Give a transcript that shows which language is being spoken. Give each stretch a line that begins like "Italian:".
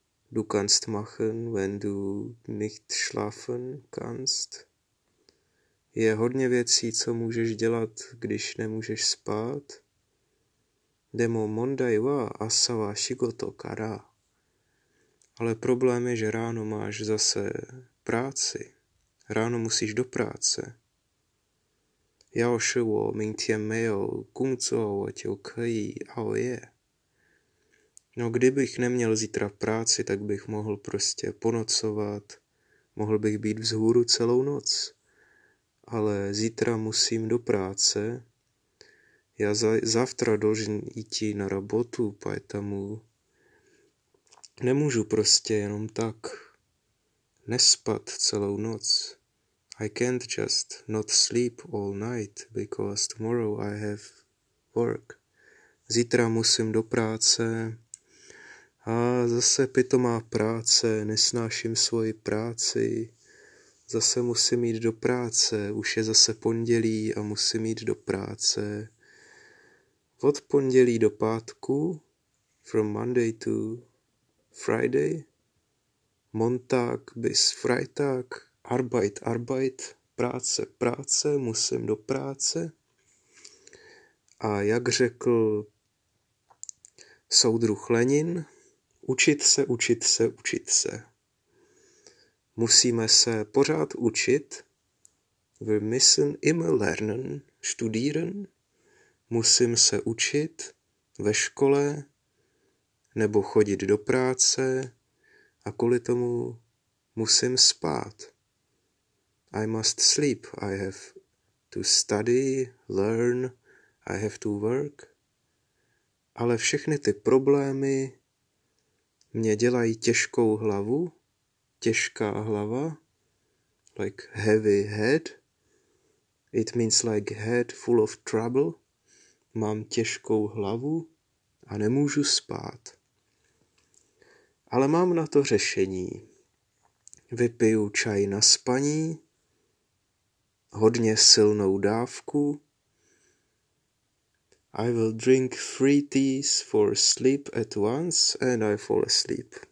German: Du kannst machen, wenn du nicht schlafen kannst.
Czech: Je hodně věcí, co můžeš dělat, když nemůžeš spát.
Japanese: Demo mondai wa asawa shigoto kara.
Czech: Ale problém je, že ráno máš zase práci. Ráno musíš do práce.
Chinese: Yao shi wo ming tian mei you gongzuo wo jiu keyi ao ye.
Czech: No, kdybych neměl zítra práci, tak bych mohl prostě ponocovat. Mohl bych být vzhůru celou noc. Ale zítra musím do práce. Ja zavtra dolžen jíti na robotu, poetamu. Nemůžu prostě jenom tak nespat celou noc.
English: I can't just not sleep all night, because tomorrow I have work.
Czech: Zítra musím do práce a zase pitomá práce, nesnáším svoji práci. Zase musím jít do práce, už je zase pondělí a musím jít do práce. Od pondělí do pátku
English: from Monday to Friday,
German: Montag bis Freitag, Arbeit, Arbeit,
Czech: práce, práce, musím do práce. A jak řekl soudruh Lenin, učit se, učit se, učit se. Musíme se pořád učit.
German: Wir müssen immer lernen, studieren.
Czech: Musím se učit ve škole nebo chodit do práce a kvůli tomu musím spát.
English: I must sleep. I have to study, learn, I have to work.
Czech: Ale všechny ty problémy mě dělají těžkou hlavu, těžká hlava,
English: like heavy head. It means like head full of trouble.
Czech: Mám těžkou hlavu a nemůžu spát. Ale mám na to řešení. Vypiju čaj na spaní, hodně silnou dávku.
English: I will drink 3 teas for sleep at once and I fall asleep.